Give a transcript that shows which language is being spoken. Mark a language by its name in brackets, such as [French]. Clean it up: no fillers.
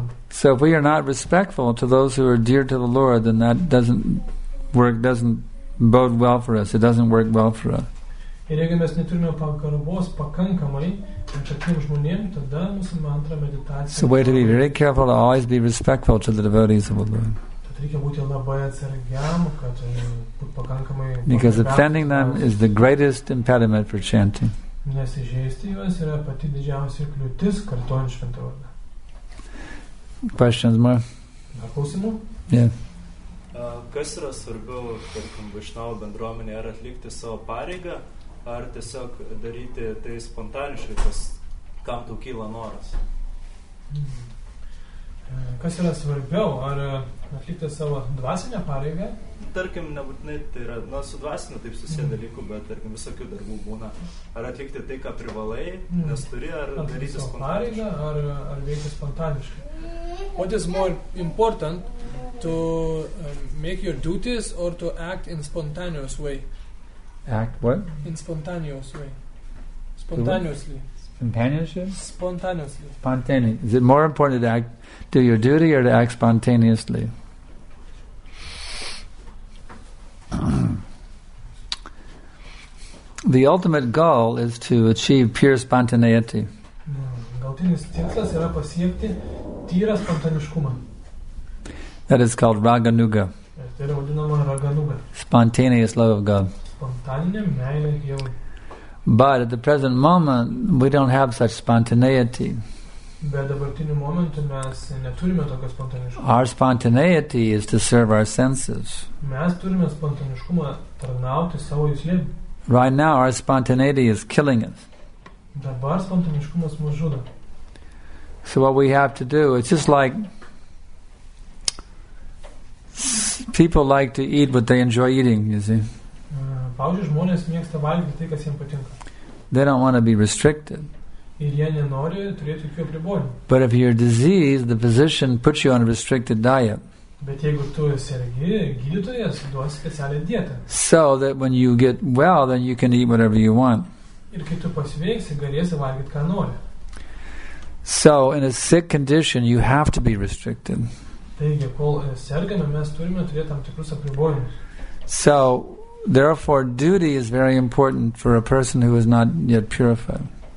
[English] So if we are not respectful to those who are dear to the Lord, then that doesn't bode well for us. It doesn't work well for us. [Lithuanian] Ir jeigu mes neturime pagarbos pakankamai atsakym žmonėm, tada mūsų mantra meditacija. [English] So we have to be very careful to always be respectful to the devotees of the Lord. [Lithuanian] Reikia būti labai atsargiam, kad būtų pakankamai. [English] Because offending them is the greatest impediment for chanting. [Lithuanian] Nes įžeisti juos yra pati didžiausia kliūtis kartojant šventą vardą. [English] Questions more? [Lithuanian] Dar klausimų? Kas yra svarbiau, tarkim, Vaišnavo bendruomenė, ar atlikti savo pareigą, ar tiesiog daryti tai spontaniškai, kam tau kyla noras? Kas yra svarbiau, ar atlikti savo dvasinę pareigą? Tarkim, nebūtinai tai yra, nu, su dvasiniu taip susiję dalykų, bet tarkim, visokių darbų būna. Ar atlikti tai, ką privalai, nes turi, ar daryti spontaniškai? Pareigą, ar veikti spontaniškai? [English] What is more important, to make your duties or to act in spontaneous way? Act what? In spontaneous way. Spontaneously. Companionship? Spontaneously. Spontaneous. Is it more important to act, do your duty or to act spontaneously? The ultimate goal is to achieve pure spontaneity. [Lithuanian] Galutinis tikslas yra pasiekti tyrą spontaniškumą. [English] That is called Raganuga. [Lithuanian] Tai yra vadinama Raganuga. [English] Spontaneous love of God. [Lithuanian] Spontaninė meilė Dievui. [English] But at the present moment, we don't have such spontaneity. [Lithuanian] Bet dabartiniu momentu mes neturime tokio spontaniškumo. [English] Our spontaneity is to serve our senses. [Lithuanian] Mes turime spontaniškumą tarnauti savo juslėm. [English] Right now, our spontaneity is killing us. [Lithuanian] Dabar spontaniškumas mus žudo. [English] So what we have to do, it's just like people like to eat what they enjoy eating, you see. [Lithuanian] Pavyzdžiui, žmonės mėgsta valgyti tai, kas jiems patinka. [English] They don't want to be restricted. [Lithuanian] Ir jie nenori turėti jokių apribojimų. [English] But if you're diseased, the physician puts you on a restricted diet. [Lithuanian] Bet jeigu tu sergi, gydytojas duos specialią dietą. [English] So that when you get well, then you can eat whatever you want. [Lithuanian] Ir kai tu pasveiksi, galėsi valgyti, ką nori. [English] So in a sick condition, you have to be restricted. [Lithuanian] Taigi, kol sergame, mes turime turėti tam tikrus apribojimus. [English] So therefore, duty is very important for a person who is not yet purified.